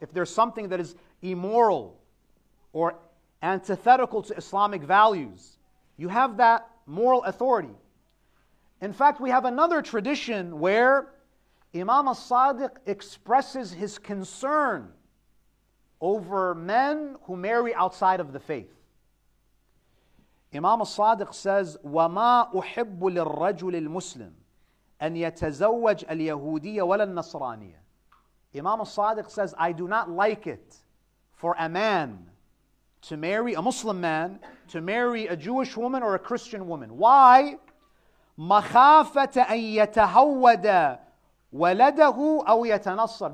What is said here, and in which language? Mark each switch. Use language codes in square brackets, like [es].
[en] If there's something that is immoral or antithetical to Islamic values, you have that moral authority. In fact, we have another tradition where Imam al-Sadiq expresses his concern over men who marry outside of the faith. Imam al-Sadiq says, [ar] وَمَا أُحِبُّ لِلْرَّجُلِ الْمُسْلِمِ أَنْ يَتَزَوَّجَ الْيَهُودِيَّ وَلَا النَّصْرَانِيَّ. [en] Imam al-Sadiq says, I do not like it for a man to marry, a Muslim man, to marry a Jewish woman or a Christian woman. Why? [ar] مَخَافَةَ أَنْ يَتَهَوَّدَ وَلَدَهُ أَوْ يَتَنَصَّرَ.